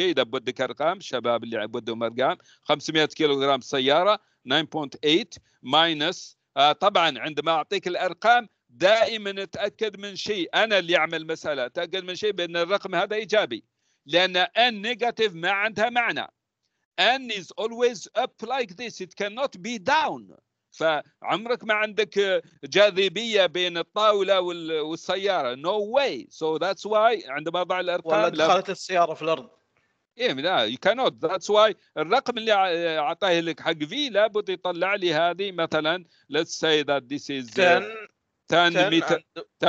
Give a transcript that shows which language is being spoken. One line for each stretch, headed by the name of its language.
Arabic: إذا بدك أرقام شباب اللي بدهم أرقام, 500 كيلوغرام سيارة 9.8 minus طبعا عندما اعطيك الارقام دائما اتاكد من شيء، انا اللي اعمل مساله اتاكد من شيء بان الرقم هذا ايجابي، لان ان نيجاتيف ما عندها معنى.
English: ان is always up like this, it cannot be down.
Arabic: فعمرك ما عندك جاذبية بين الطاولة والسيارة.
English: No way. So that's why
Arabic: عندما أضع الأرقام ولا دخلت السيارة في الأرض. إيه لا
English: you cannot. That's why
Arabic: الرقم اللي أعطاه لك حق V لابد يطلع لي هذه مثلا
English: let's say that this is 10 meters.